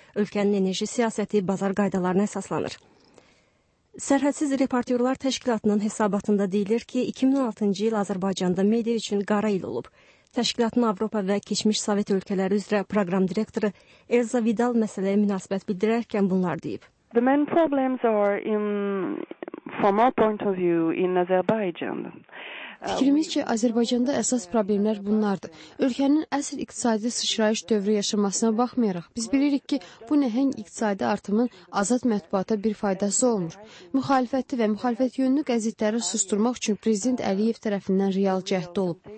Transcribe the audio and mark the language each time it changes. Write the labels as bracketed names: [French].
[Azerbaijani] Ölkənin enerji siyasəti bazar qaydalarına əsaslanır. Sərhədsiz Reportyorlar Təşkilatının hesabatında deyilir ki, 2016-cı il Azərbaycanda media üçün qara il olub. Təşkilatın Avropa və keçmiş Sovet ölkələri üzrə proqram direktoru Elza Vidal məsələyə münasibət bildirərkən bunlar deyib. [English] The main problems are in... From our point of view in Azerbaijan. [Azerbaijani] Fikrimizcə, Azərbaycanda əsas problemlər bunlardır. Ölkənin əsl iqtisadi sıçrayış dövrü yaşamasına baxmayaraq, biz bilirik ki, bu nəhəng iqtisadi artımın azad mətbuata bir faydası olmur. Müxalifəti və müxalifət yönlü qəzetləri susturmaq üçün Prezident Əliyev tərəfindən real cəhd olub.